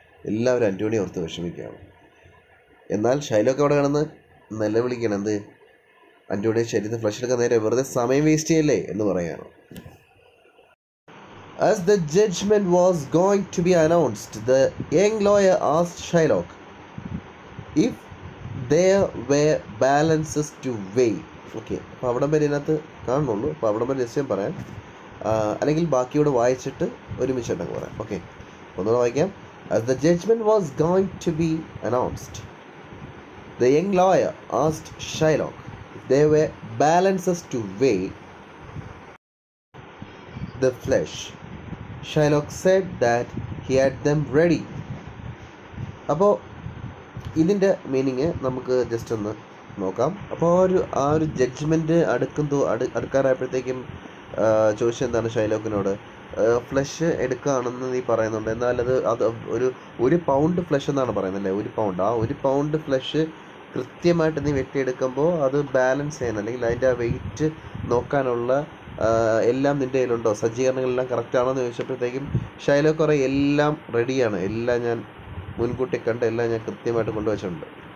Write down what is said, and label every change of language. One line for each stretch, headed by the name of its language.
Malayalam: എല്ലാവരും അന്റോണിയെ ഓർത്ത് വിഷമിക്കുകയാണ്. എന്നാൽ ഷൈലോക്ക് അവിടെ കിടന്ന് നിലവിളിക്കണം, എന്ത് അന്റോണിയെ ശരീരത്തിൽ ഫ്ലഷ് എടുക്കാൻ നേരെ വെറുതെ സമയം വേസ്റ്റ് ചെയ്യല്ലേ എന്ന് പറയുകയാണ്.
English: As the judgment was going to be announced, the young lawyer asked Shylock if there were balances to weigh.
Malayalam: Okay, അപ്പോൾ അവിടം വരെ ഇതിനകത്ത് കാണുന്നുള്ളൂ, അപ്പോൾ അവിടം വരെ നിശ്ചയം പറയാം, അല്ലെങ്കിൽ ബാക്കിയോടെ വായിച്ചിട്ട് ഒരുമിച്ച് ഉണ്ടെങ്കിൽ പറയാം. ഓക്കെ, ഒന്നുകൂടെ വായിക്കാം.
English: As the judgment was going to be announced, the young lawyer asked Shylock if there were balances to weigh the flesh. Shylock said that he had them ready.
Malayalam: അപ്പോൾ ഇതിൻ്റെ മീനിങ് നമുക്ക് ജസ്റ്റ് ഒന്ന് നോക്കാം. അപ്പോൾ ആ ഒരു ജഡ്ജ്മെൻ്റ് അടുക്കാറായപ്പോഴത്തേക്കും ചോദിച്ചത് എന്താണ് ഷൈലോക്കിനോട്, ഫ്ലഷ് എടുക്കുകയാണെന്ന് നീ പറയുന്നുണ്ട്, എന്നാൽ അത് ഒരു പൗണ്ട് ഫ്ലഷ് എന്നാണ് പറയുന്നല്ലേ, ഒരു പൗണ്ട്, ആ ഒരു പൗണ്ട് ഫ്ലഷ് കൃത്യമായിട്ട് നീ വെട്ടിയെടുക്കുമ്പോൾ അത് ബാലൻസ് ചെയ്യണം, അല്ലെങ്കിൽ അതിൻ്റെ ആ വെയിറ്റ് നോക്കാനുള്ള എല്ലാം നിൻ്റെ കയ്യിലുണ്ടോ, സജ്ജീകരണങ്ങളെല്ലാം കറക്റ്റാണോ എന്ന് ചോദിച്ചപ്പോഴത്തേക്കും ഷൈലോക്ക് പറയും എല്ലാം റെഡിയാണ്, എല്ലാം ഞാൻ മുൻകൂട്ടി കണ്ട് എല്ലാം ഞാൻ കൃത്യമായിട്ട് കൊണ്ടുവച്ചിട്ടുണ്ട്.